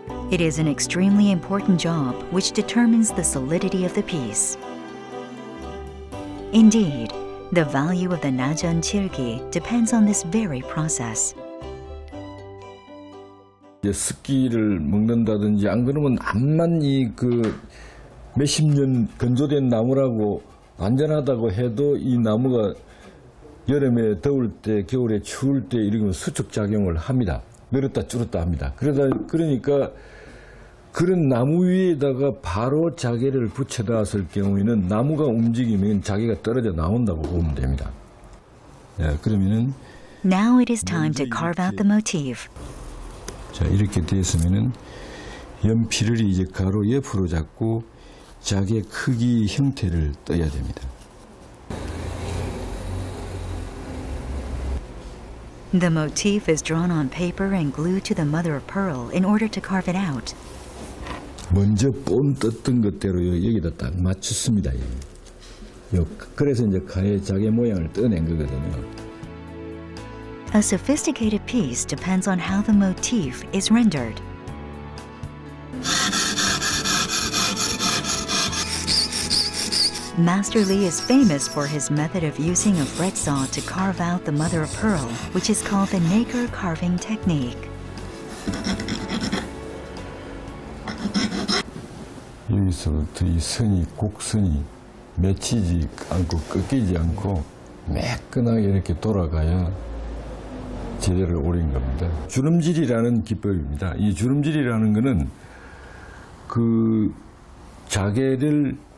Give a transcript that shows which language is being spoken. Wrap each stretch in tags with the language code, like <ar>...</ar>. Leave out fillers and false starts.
<en>It is an extremely important job which determines the solidity of the piece. Indeed, the value of the 나전칠기 depends on this very process.</en> <ko>습기를 먹는다든지 안 그러면 암만 이 그 몇십 년 건조된 나무라고 안전하다고 해도 이 나무가 여름에 더울 때, 겨울에 추울 때 이런 수축 작용을 합니다. 늘었다 줄었다 합니다. 그러다 그러니까 그런 나무 위에다가 바로 자개를 붙여놨을 경우에는 나무가 움직이면 자개가 떨어져 나온다고 보면 됩니다. 예, 그러면은</ko> <en>Now it is time to carve out the motif.</en> <ko>자, 이렇게 되었으면은 연필을 이제 가로 옆으로 잡고 자개 크기 형태를 떠야 됩니다.</ko> <en>The motif is drawn on paper and glued to the mother of pearl in order to carve it out.</en> <ko>먼저 본 떴던 것대로 여기다 딱 맞췄습니다. 그래서 이제 가의 자개 모양을 떠낸 거거든요.</ko> <en>A sophisticated piece depends on how the motif is rendered. 마스터 리 is famous for his method of using a fret saw to carve out the mother of pearl, which is called the nacre carving technique.</en> <ko>여기서부터 이 선이 곡선이 맺히지 않고 꺾이지 않고 매끈하게 이렇게 돌아가야 제대로 오린 겁니다. 주름질이라는 기법입니다. 이 주름질이라는 것은 그 자개를</ko>